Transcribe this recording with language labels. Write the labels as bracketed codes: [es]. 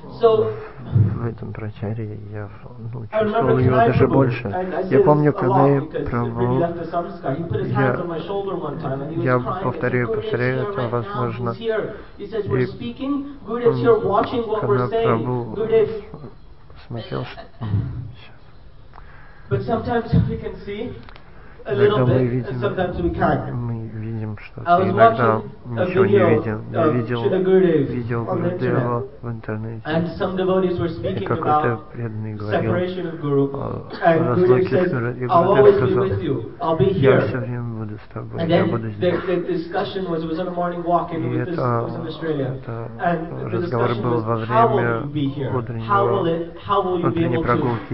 [ru] в этом прачаре я чувствовал ее даже больше. Я помню, когда я провел, я повторяю это, возможно, и когда я провел, смотрел, что... [en] But sometimes we can see a little bit, [ru] видим, [en] and sometimes we can't. [ru] Мы видим, что иногда ничего не видим. Я видел видео Гурудева в интернете. [en] And some devotees were speaking about [ru] какой-то преданный говорил о разлуке с Гуру. И Гурудев сказал, я все время буду с тобой, я буду здесь. И это разговор был во время утренней прогулки.